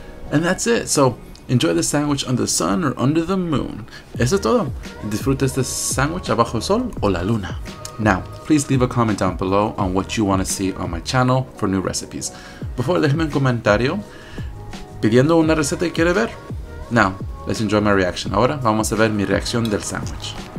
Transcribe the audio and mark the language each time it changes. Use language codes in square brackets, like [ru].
[en] And that's it. So enjoy the sandwich under the sun or under the moon. [es] Eso es todo. Disfruta este sandwich abajo el sol o la luna. [en] Now, please leave a comment down below on what you want to see on my channel for new recipes. [es] Before, déjeme un comentario pidiendo una receta que quiere ver. [en] Now, let's enjoy my reaction. [es] Ahora vamos a ver mi reacción del sandwich.